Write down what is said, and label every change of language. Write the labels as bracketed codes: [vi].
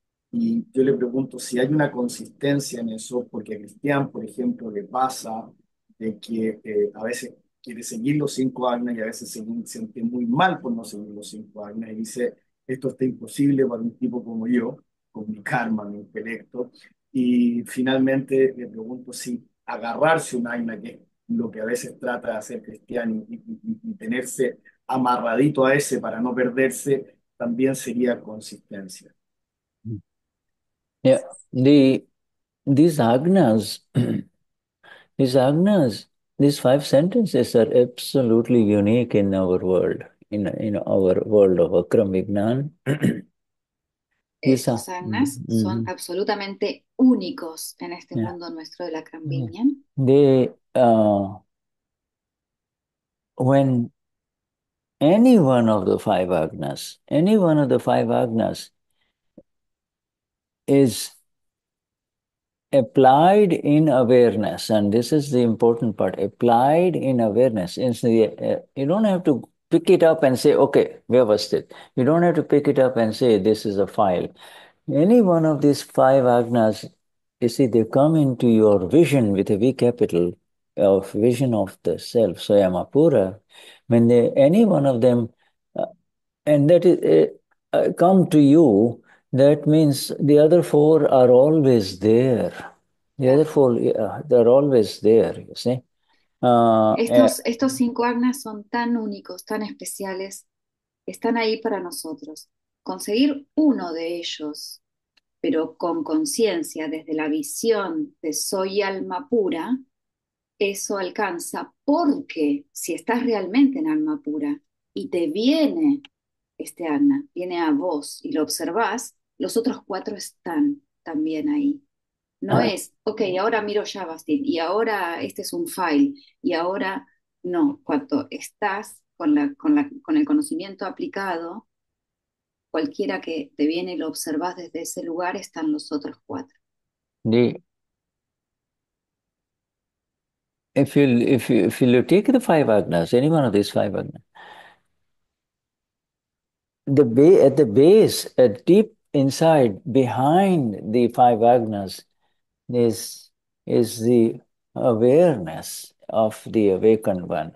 [es] Y yo le pregunto si hay una consistencia en eso, porque a Cristian, por ejemplo, le pasa de que a veces quiere seguir los cinco agnas y a veces se siente muy mal por no seguir los cinco agnas y dice, esto está imposible para un tipo como yo, con mi karma, mi intelecto. Y finalmente le pregunto si agarrarse un agna, que es lo que a veces trata de hacer Cristian, y tenerse amarradito a ese para no perderse, también sería consistencia. [en] Yeah, these five sentences are absolutely unique in our world, in our world of Akram Vignan. These [es] Estos [en] are [es] agnas son absolutamente únicos en este mundo nuestro de la Gran Viñan. [en] When any one of the five agnas, any one of the five agnas is applied in awareness, and this is the important part. Applied in awareness, you don't have to pick it up and say, "Okay, we have a state." You don't have to pick it up and say, "This is a file." Any one of these five agnas, you see, they come into your vision with a V capital of vision of the self, Swayam Apura. When any one of them, and that is come to you. That means the other four are always there. The other [es] Claro. [en] four, they're always there, you see. [es] Estos cinco agnas son tan únicos, tan especiales, están ahí para nosotros. Conseguir uno de ellos, pero con conciencia, desde la visión de soy alma pura, eso alcanza porque si estás realmente en alma pura y te viene este agna, viene a vos y lo observás, los otros cuatro están también ahí. No es, ok, ahora miro Yavastin y ahora este es un file y ahora no, cuando estás con con el conocimiento aplicado, cualquiera que te viene y lo observas desde ese lugar, están los otros cuatro. [en] If you take the five agnas, any one of these five agnas, the bay at the base, at deep inside, behind the five agnas, is the awareness of the awakened one.